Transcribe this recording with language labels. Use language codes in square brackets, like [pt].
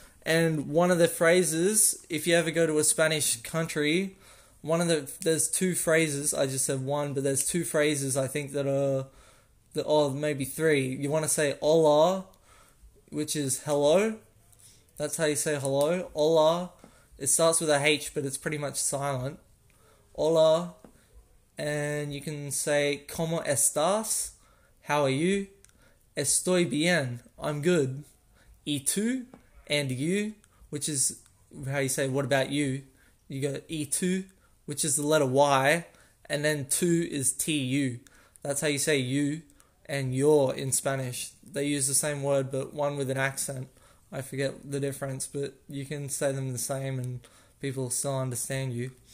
[en] And one of the phrases, if you ever go to a Spanish country, there's two phrases, I just said one, but there's two phrases I think maybe three. You wanna say hola, which is hello. That's how you say hello. Hola. It starts with a H, but it's pretty much silent. [es] Hola. [en] And you can say, [es] ¿Cómo estás? [en] How are you? [es] Estoy bien. [en] I'm good. [es] ¿Y tú? [en] And you? which is how you say what about you. You got E2, which is the letter Y, and then 2 is T-U. That's how you say you and your in Spanish. They use the same word, but one with an accent. I forget the difference, but you can say them the same and people still understand you.